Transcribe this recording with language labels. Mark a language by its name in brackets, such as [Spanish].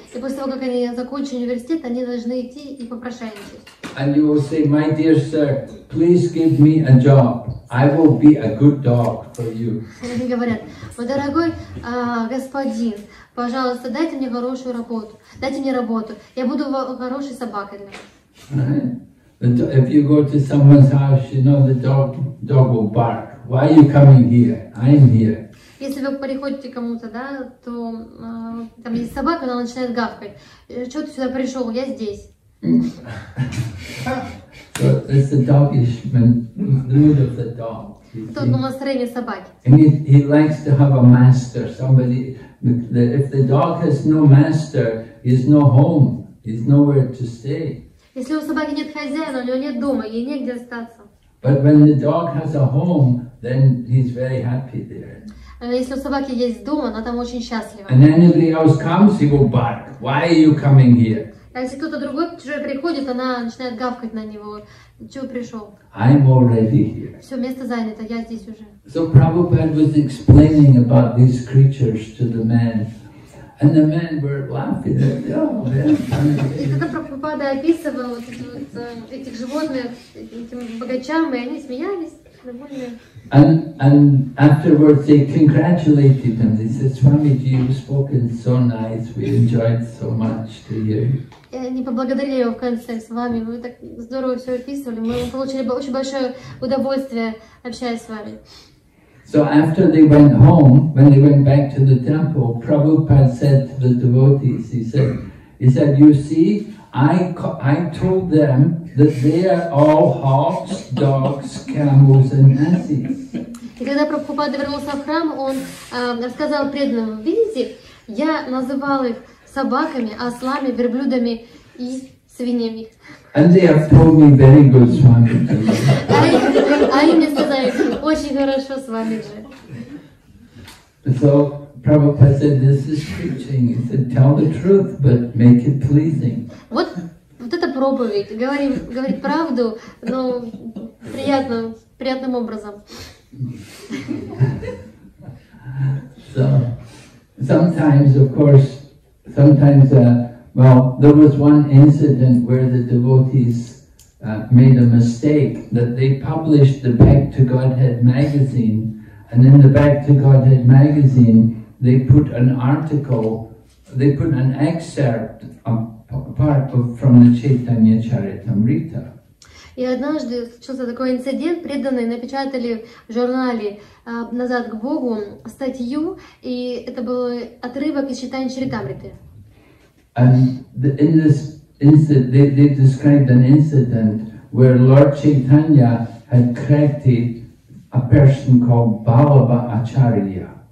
[Russian] И после того, как они закончат университет, они должны идти и попрошайничать. [English] And you will say, my dear sir, please give me a job. I will be a good dog for you. [Russian] Они говорят, мой дорогой господин, пожалуйста, дайте мне хорошую работу. Дайте мне работу. Я буду хорошей собакой для вас. [English] If you go to someone's house, you know, the dog will bark. Why are you coming here? I am here. [Russian] Если вы приходите к кому-то, да, то там есть собака, она начинает гавкать. Чего ты сюда пришел? Я здесь. [English] So it's the dogish mood of the dog. [Russian] Это настроение собаки. [English] And he likes to have a master, somebody. If the dog has no master, he's no home, he's nowhere to stay. [Russian] Если у собаки нет хозяина, у нее нет дома, ей негде остаться. [English] But when the dog has a home, then he's very happy there. [Russian] Если у собаки есть дом, она там очень счастлива. [English] And anybody else comes, he will bark. Why are you coming here? [Russian] А если кто-то другой чужой приходит, она начинает гавкать на него. Чего пришел? [English] I'm already here. [Russian] Все, место занято, я здесь уже. [English] So Prabhupada was explaining about these creatures to the men. And the men were laughing. Oh, yeah. [Russian] И тогда Прабхупада описывал этих животных этим богачам, и они смеялись. [English] And afterwards they congratulated him. They said, Swamiji, you've spoken so nice. We enjoyed so much to hear you. [Russian] Они поблагодарили его в конце с вами. Вы так здорово все описывали. Мы получили очень большое удовольствие общаясь с вами. [English] So after they went home, when they went back to the temple, Prabhupada said to the devotees, he said, you see, I told them that they are all hogs, dogs, camels, and asses. [Russian] И когда Прабхупада вернулся в храм, он рассказал преданным, видите, я называл их собаками, ослами, верблюдами и свиньями. [English] And they have told me very good, Swamiji. [Russian] А им не сказали, очень хорошо с вами жить. [English] So, Prabhupada said, this is preaching. He said, tell the truth, but make it pleasing. [Russian] Вот, вот это проповедь. Говорит правду, но приятным образом. So, sometimes, of course, there was one incident where the devotees made a mistake, that they published the Back to Godhead magazine, and in the Back to Godhead magazine, they put an article, they put an excerpt, from the Chaitanya Charitamrita. И однажды случился такой инцидент, преданные напечатали в журнале «Назад к Богу» статью, и это был отрывок из Чайтаньи Чаритамриты. And in this incident, they described an incident where Lord Chaitanya had corrected a person called Balabha Acharya.